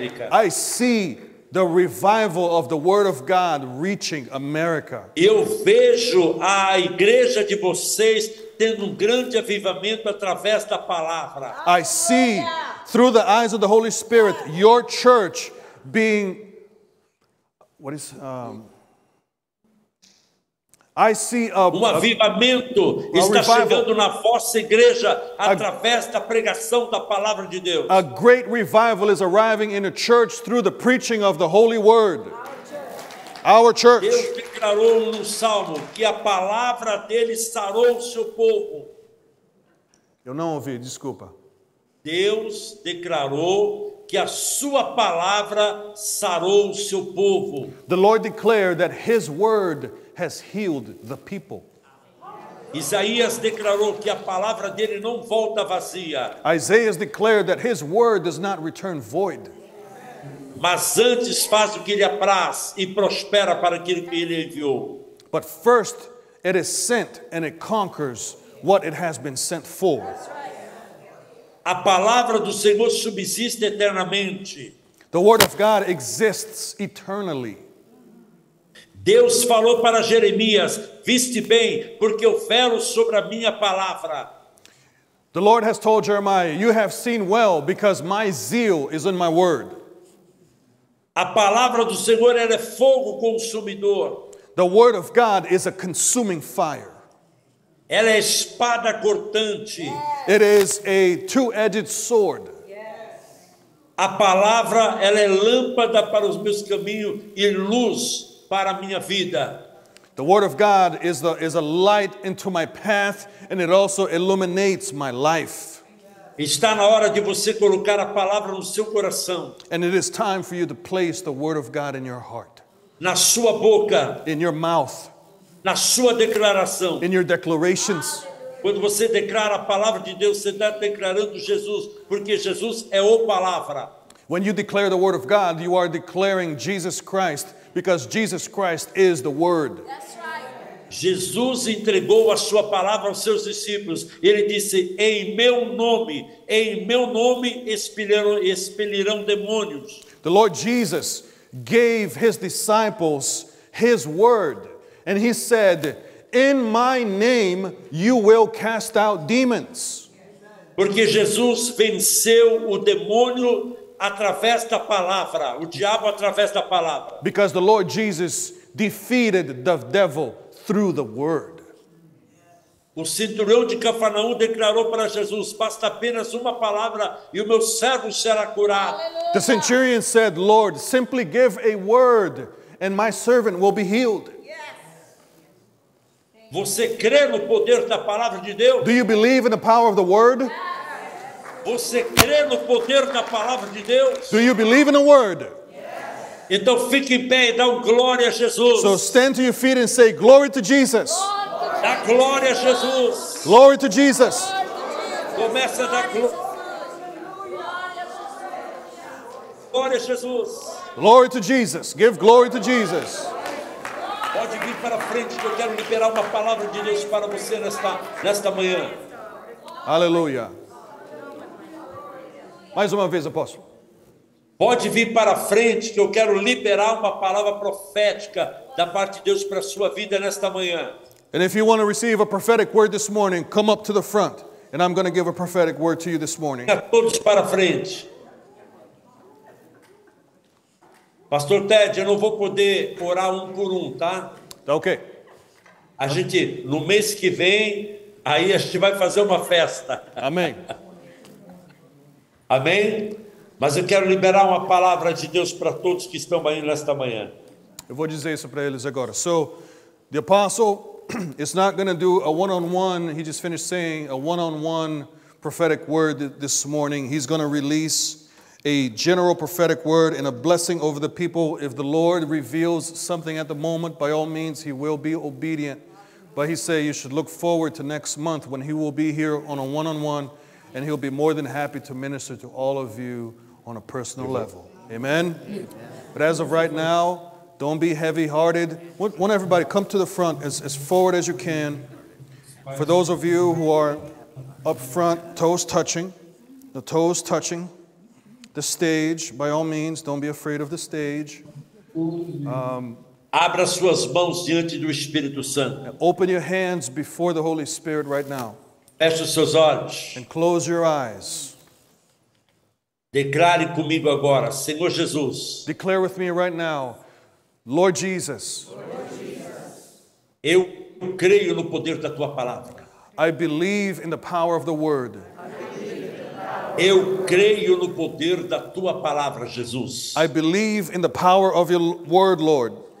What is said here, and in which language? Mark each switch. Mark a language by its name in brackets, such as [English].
[English] I see the revival of the Word of God reaching America. [Portuguese] Eu vejo a igreja de vocês tendo grande avivamento através da palavra. [English] I see through the eyes of the Holy Spirit your church being I see [Portuguese] um avivamento está chegando na vossa igreja através da pregação da palavra de Deus. [English] A great revival is arriving in a church through the preaching of the Holy Word. Our church. [Portuguese] Deus declarou no salmo que a palavra dele sarou o seu povo. Eu não ouvi, desculpa. Deus declarou que a sua palavra sarou o seu povo. [English] The Lord declared that his word has healed the people. [Portuguese] Isaías declarou que a palavra dele não volta vazia. [English] Isaiah declared that his word does not return void. [Portuguese] Mas antes faz o que lhe apraz e prospera para aquilo que ele enviou. [English] But first it is sent and it conquers what it has been sent for. [Portuguese] A palavra do Senhor subsiste eternamente. [English] The word of God exists eternally. [Portuguese] Deus falou para Jeremias, viste bem, porque eu velo sobre a minha palavra. [English] The Lord has told Jeremiah, you have seen well, because my zeal is in my word. [Portuguese] A palavra do Senhor é fogo consumidor. [English] The word of God is a consuming fire. [Portuguese] Ela é espada cortante. [English] Yes. It is a two-edged sword. [Portuguese] A palavra, ela é lâmpada para os meus caminhos e luz para a minha vida. [English] The word of God is a light into my path and it also illuminates my life. [Portuguese] Está na hora de você colocar a palavra no seu coração. [English] And it is time for you to place the word of God in your heart. [Portuguese] Na sua boca. [English] In your mouth. [Portuguese] Na sua declaração. [English] In your declarations. [Portuguese] Quando você declara a palavra de Deus, você está declarando Jesus, porque Jesus é o palavra. [English] When you declare the word of God, you are declaring Jesus Christ. Because Jesus Christ is the Word. That's right. [Portuguese] Jesus entregou a sua palavra aos seus discípulos. Ele disse, em meu nome expelirão demônios. [English] The Lord Jesus gave his disciples his word, and he said, in my name you will cast out demons. [Portuguese] Porque Jesus venceu o demônio através da palavra, o diabo através da palavra. [English] Because the Lord Jesus defeated the devil through the word. [Portuguese] O centurião de Cafarnaum declarou para Jesus, basta apenas uma palavra e o meu servo será curado. [English] The centurion said, Lord, simply give a word and my servant will be healed. [Portuguese] Você crê no poder da palavra de Deus? [English] Do you believe in the power of the word? [Portuguese] Você crê no poder da palavra de Deus? [English] Do you believe in the word? [Portuguese] Então fique em pé e dá glória a Jesus. [English] So stand to your feet and say glory to Jesus. [Portuguese] Dá glória a Jesus. [English] Glory to Jesus. [Portuguese] Começa a dar glória a Jesus. [English] Glory to Jesus. Give glory to Jesus. [Portuguese] Pode vir para frente que eu quero liberar uma palavra de Deus para você nesta manhã. Aleluia. Mais uma vez, apóstolo. Pode vir para frente que eu quero liberar uma palavra profética da parte de Deus para a sua vida nesta manhã. [English] And if you want to receive a prophetic word this morning, come up to the front and I'm going to give a prophetic word to you this morning. [Portuguese] Todos para frente. Pastor Ted, eu não vou poder orar um por um, tá? Tá ok. A gente, no mês que vem, aí a gente vai fazer uma festa. Amém. Amém? Mas eu quero liberar uma palavra de Deus para todos que estão aí nesta manhã. Eu vou dizer isso para eles agora. [English] So, the apostle is not going to do a one-on-one. He just finished saying a one-on-one prophetic word this morning. He's going to release a general prophetic word and a blessing over the people. If the Lord reveals something at the moment, by all means, he will be obedient. But he said you should look forward to next month when he will be here on a one-on-one, and he'll be more than happy to minister to all of you on a personal level. Amen? But as of right now, don't be heavy-hearted. Want everybody, come to the front as forward as you can. For those of you who are up front, toes touching, the stage, by all means, don't be afraid of the stage. [Portuguese] Abra suas mãos diante do Espírito Santo. [English] Open your hands before the Holy Spirit right now. [Portuguese] Feche os seus olhos. [English] And close your eyes. [Portuguese] Declare comigo agora, Senhor Jesus. [English] Declare with me right now, Lord Jesus. [Portuguese] Eu creio no poder da tua palavra. [English] I believe in the power of the word. [Portuguese] Eu creio no poder da tua palavra, Jesus. [English] I believe in the power of your word, Lord.